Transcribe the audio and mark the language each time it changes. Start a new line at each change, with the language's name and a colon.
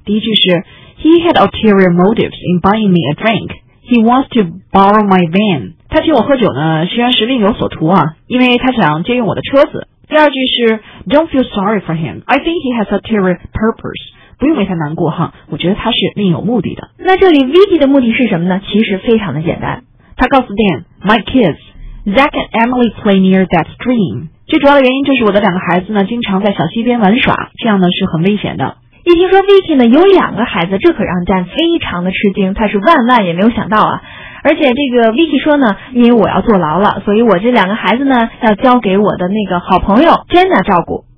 Chinese: 第一句是
English: He had ulterior motives in buying me a drink. He wants to borrow my van.
Chinese: 他请我喝酒呢虽然是另有所图啊，因为他想借用我的车子。第二句是
English: Don't feel sorry for him. I think he has ulterior purpose.
Chinese: 不用为他难过哈，我觉得他是另有目的的。那这里 Vicky 的目的是什么呢？其实非常的简单，他告诉
English: Dan My kids Zach and Emily play near that stream.
Chinese: 最主要的原因就是我的两个孩子呢经常在小溪边玩耍，这样呢是很危险的。一听说 Vicky 呢有两个孩子，这可让 Dan 非常的吃惊，他是万万也没有想到啊。而且这个 Vicky 说呢，因为我要坐牢了，所以我这两个孩子呢要交给我的那个好朋友 Jenna 照顾。